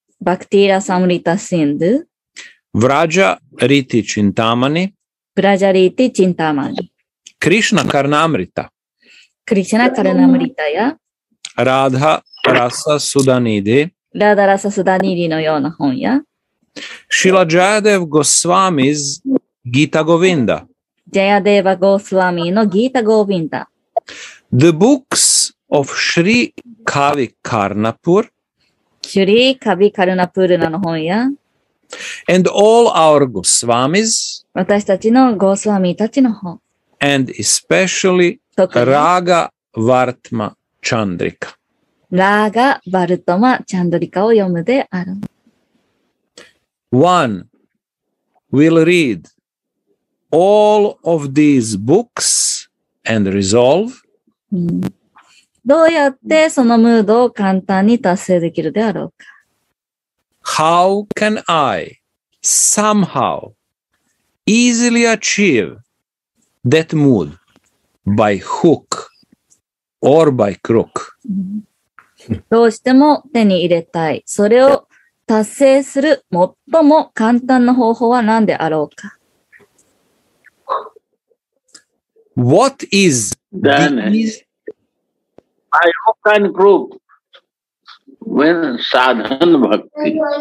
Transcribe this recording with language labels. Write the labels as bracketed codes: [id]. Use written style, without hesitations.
[en] Bhakti Rasamrita Sindhu, Vraja Riti Chintamani, Vraja Riti Chintamani, Krishna Karnamrita, [ja] Krishna Karnamrita や、 [en] Radha Rasa Sudanidhi [ja] Radha Rasa Sudanidhi のような本や [en] Shila Jayadev Goswami's Gita Govinda [ja] Jayadeva Goswami の Gita Govinda [en] The books of Shri Kavi Karnapur [ja] Shri Kavi Karnapur の本や [en] And all our Goswamis [ja] 私たちの Goswami たちの本 [en] And especially Raga Vartma Chandrika. [ja] Raga Vartama Chandrika を読むである。 [en] One will read all of these books and resolve. [ja] どうやってそのムードを簡単に達成できるであろうか。 [en] How can I somehow easily achieve that mood by hook? Or by crook. [ja] どうしても手に入れたい。それを達成する最も簡単な方法は何であろうか。 [en] What is then by hook and crook when sadhana bhakti?